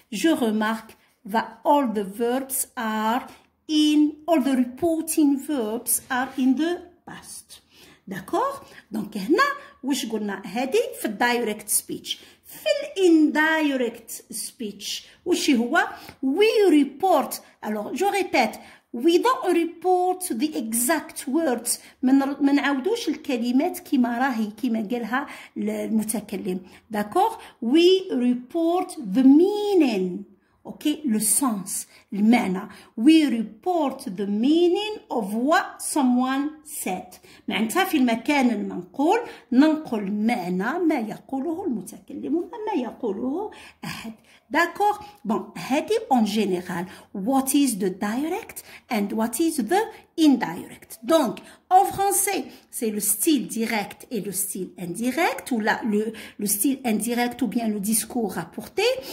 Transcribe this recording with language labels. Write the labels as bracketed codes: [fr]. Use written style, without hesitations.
[fr] Je remarque [en] that all the verbs are in, all the reporting verbs are in the past. [fr] D'accord? [ar] Donc, هنا, واش قلنا هادي في [en] direct speech. [ar] في [en] indirect speech, [ar] واش هو? [en] We report, [fr] alors, je répète, [en] we don't report the exact words. [ar] ما نعاودوش الكلمات كيما راهي كيما قالها المتكلم. [fr] D'accord? [en] We report the meaning. [fr] Ok, le sens, le mana. [en] We report the meaning of what someone said. [ar] معناتها في المكان المنقول ننقل معنى ما يقوله المتكلم وما يقوله أحد. [fr] D'accord? Bon, هذه en général. [en] What is the direct and what is the indirect? [fr] Donc, en français, c'est le style direct et le style indirect, ou là, le style indirect ou bien le discours rapporté.